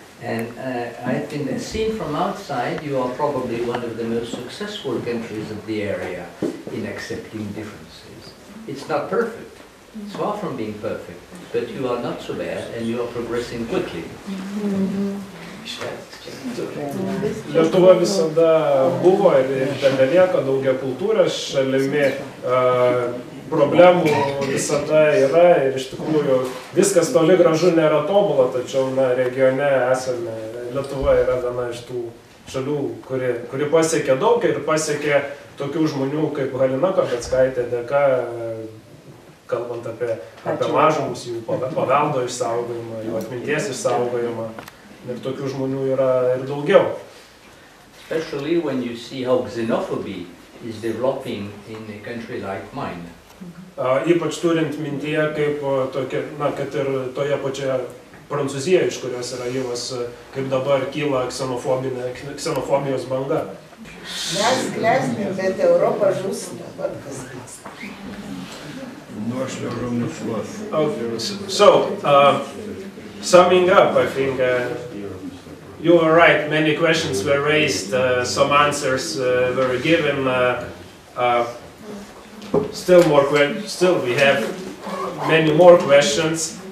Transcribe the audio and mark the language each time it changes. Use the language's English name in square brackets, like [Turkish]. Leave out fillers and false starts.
[English] And I think that seen from outside, you are probably one of the most successful countries of the area in accepting differences. It's not perfect. It's far from being perfect. But you are not so bad, and you are progressing quickly. Mm-hmm. Yeah. [Lithuanian] Lietuva visada buvo ir tebelieka daugia kultūros šalimi. Problemų visada yra ir iš tikrųjų viskas toli gražu nėra tobula, tačiau na, regione esame, Lietuva yra viena iš tų šalių, kuri pasiekė daug ir pasiekė tokių žmonių kaip Halina Kobeckaitė dėka, kalbant apie mažumus, jų paveldo išsaugojimą, jų atminties išsaugojimą. Ir tokių žmonių yra ir daugiau. [English] Especially when you see how xenophobia is developing in a country like mine. [Lithuanian] Ypač turint mintyje, kaip tokia, na, kad ir toje pačioje Prancūzijoje, iš kurios yra jūs, kaip dabar kyla ksenofobijos banga. Mes klesnėm, bet Europa žūsta, vat kas kas. [English] So, summing up, I think you were right, many questions were raised, some answers were given. Still we have many more questions.